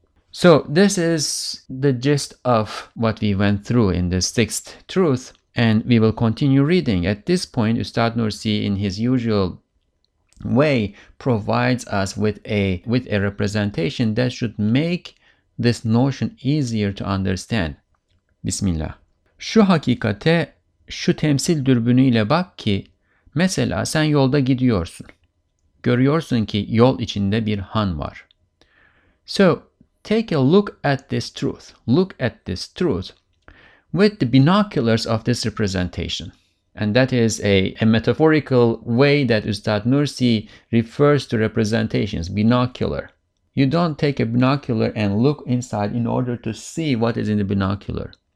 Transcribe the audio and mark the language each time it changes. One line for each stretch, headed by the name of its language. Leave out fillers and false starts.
English: So this is the gist of what we went through in the sixth truth, and we will continue reading. At this point, Ustad Nursi, in his usual way, provides us with a representation that should make this notion easier to understand. Bismillah.
Turkish: Şu hakikate şu temsil dürbünüyle bak ki, mesela sen yolda gidiyorsun. Görüyorsun ki yol içinde bir han var.
English: So, take a look at this truth. Look at this truth with the binoculars of this representation. And that is a metaphorical way that Ustad Nursi refers to representations, binocular. You don't take a binocular and look inside in order to see what is in the binocular.